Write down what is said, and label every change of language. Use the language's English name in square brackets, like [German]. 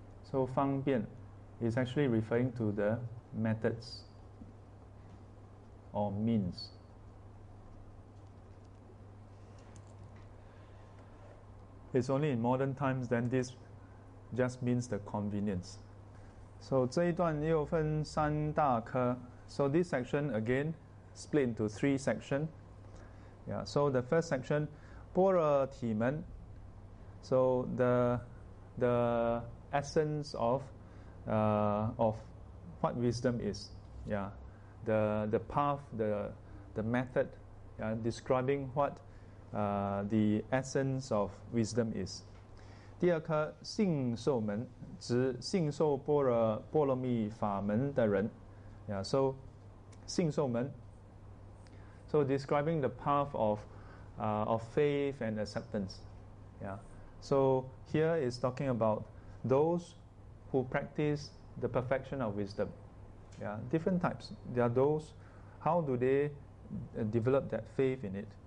[English] So 方便 is actually referring to the methods or means. It's only in modern times then this just means the convenience. [Chinese] So 这一段又分三大科. [English] So this section again split into three sections. Yeah, so the first section, [Chinese] 般若体门. [English] So the essence of what wisdom is. Yeah. The path, the method, yeah, describing what the essence of wisdom is. [Chinese] 第二颗, 信受门, 指信受般若波罗蜜法门的人. [English] Yeah, so 信受门. So describing the path of faith and acceptance. Yeah. So here is talking about those who practice the perfection of wisdom. Yeah, different types. There are those, how do they develop that faith in it?